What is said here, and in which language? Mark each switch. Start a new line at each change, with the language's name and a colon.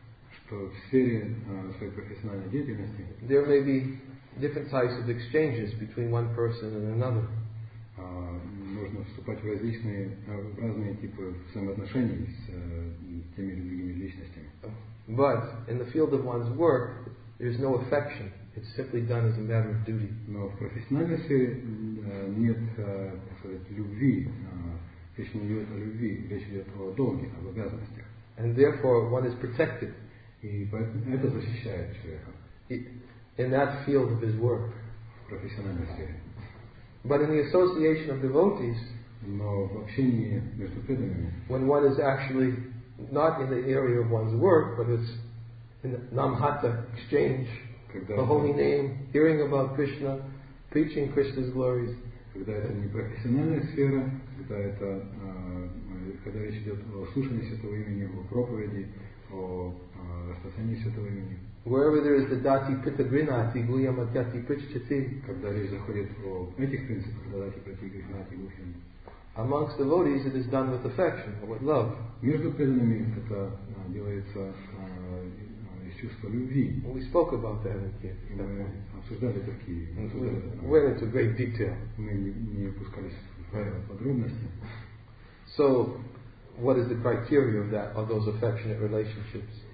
Russian: что в сфере своей профессиональной деятельности,
English: there may be different types of exchanges between one person and another.
Russian: Можно вступать в различные, в разные типы взаимоотношений с теми или другими личностями.
English: But in the field of one's work, there is no affection. It's simply done as a matter of duty.
Russian: Но в профессиональной сфере нет, так сказать, любви. Речь не идет о любви, речь идет о долге, об обязанностях.
English: And therefore, one is protected.
Russian: И поэтому это защищает человека.
English: In that field of his work.
Russian: В профессиональной сфере.
English: But in the association of devotees.
Russian: Но в общении между преданными.
English: When one is actually not in the area of one's work, but it's in the Namhatta exchange.
Russian: Когда
English: the holy name, hearing about Krishna, preaching Krishna's glories.
Russian: Когда это не профессиональная сфера, когда это когда речь идет о слушании святого имени, о проповеди, о распространении святого имени.
English: Wherever there is the dati pitta grinati guhyam adhyati prichchati.
Russian: Когда речь заходит о этих принципах, когда дати пити гринати гухим.
English: Amongst devotees, it is done with affection, with love.
Russian: Между преданными это делается из чувства любви.
English: We spoke about that in Kiev.
Russian: Мы обсуждали это в Киеве.
English: We went into great detail.
Russian: Мы не опускались в подробности.
English: So, what is the criteria of that, of those affectionate relationships?